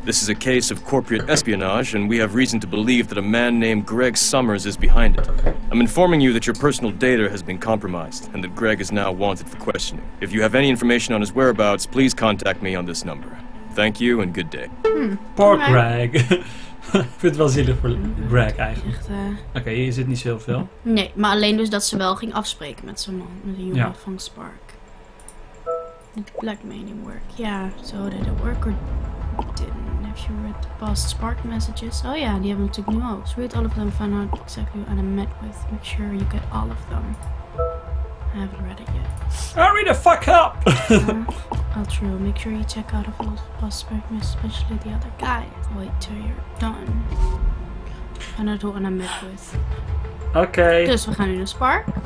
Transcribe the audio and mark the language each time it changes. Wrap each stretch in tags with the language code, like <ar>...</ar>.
<en>This is a case of corporate espionage, and we have reason to believe that a man named Greg Summers is behind it. I'm informing you that your personal data has been compromised, and that Greg is now wanted for questioning. If you have any information on his whereabouts, please contact me on this number. Thank you, and good day. Poor Greg.</en> <nl>Ik vind het wel zielig voor Greg eigenlijk. Oké, hier zit niet zo heel veel. Nee, maar alleen dus dat ze wel ging afspreken met zo'n man. Met een jongen van Spark. Het blackmailing work.</nl> <en>Ja, yeah, so did it work or didn't? Have you read the past Spark messages?</en> <nl>Oh ja, die hebben we natuurlijk nu ook.</nl> <en>So read all of them, find out exactly who Anna met with. Make sure you get all of them. I haven't read it yet. Hurry the fuck up! All true. Make sure you check out all the past Spark messages, especially the other guy. Wait till you're done.</en> <nl>En dat horen we met Midwood. Oké. Okay. Dus we gaan nu naar Spark.</nl>